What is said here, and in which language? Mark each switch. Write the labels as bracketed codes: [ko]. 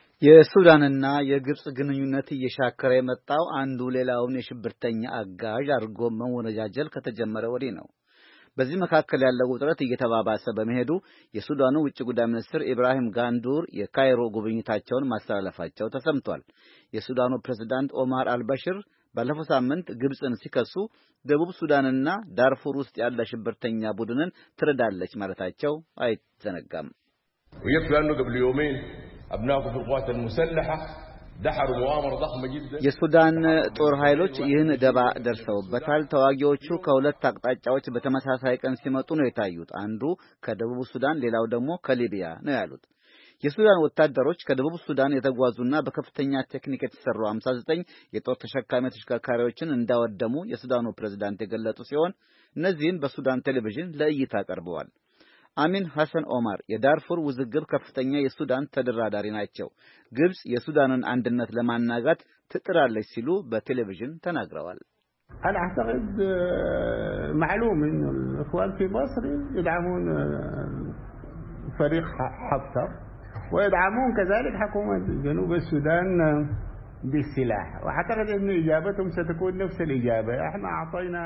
[am] የሱዳንና የግብጽ ግንኙነት እየሻከረ የመጣው አንዱ ሌላውን የሽብርተኛ አጋዥ አድርጎ መወነጃጀል ከተጀመረ ወዲህ ነው። በዚህ መካከል ያለው ውጥረት እየተባባሰ በመሄዱ የሱዳኑ ውጭ ጉዳይ ሚኒስትር ኢብራሂም ጋንዱር የካይሮ ጉብኝታቸውን ማስተላለፋቸው ተሰምቷል። የሱዳኑ ፕሬዝዳንት ኦማር አልበሽር ባለፈው ሳምንት ግብጽን ሲከሱ ደቡብ ሱዳንና ዳርፉር ውስጥ ያለ ሽብርተኛ ቡድንን ትረዳለች ማለታቸው አይዘነጋም። [ar] ويطلعوا قبل يومين ابناؤه في القوات المسلحه دحر مؤامره ضخمه جدا [am] የሱዳን ጦር ኃይሎች ይህን ደባ ደርሰውበታል። ተዋጊዎቹ ከሁለት አቅጣጫዎች በተመሳሳይ ቀን ሲመጡ ነው የታዩት። አንዱ ከደቡብ ሱዳን ሌላው ደግሞ ከሊቢያ ነው ያሉት። የሱዳን ወታደሮች ከደቡብ ሱዳን የተጓዙና በከፍተኛ ቴክኒክ የተሰሩ 59 የጦር ተሸካሚ ተሽከርካሪዎችን እንዳወደሙ የሱዳኑ ፕሬዝዳንት የገለጡ ሲሆን እነዚህን በሱዳን ቴሌቪዥን ለእይታ አቀርበዋል። አሚን ሐሰን ኦማር የዳርፉር ውዝግብ ከፍተኛ የሱዳን ተደራዳሪ ናቸው። ግብጽ የሱዳንን አንድነት ለማናጋት ትጥራለች ሲሉ በቴሌቪዥን ተናግረዋል። [ar] انا اعتقد معلوم ان الاخوان في مصر يدعمون فريق حفتر ويدعمون كذلك حكومه جنوب السودان بالسلاح واعتقد ان اجابتهم ستكون نفس الاجابه احنا اعطينا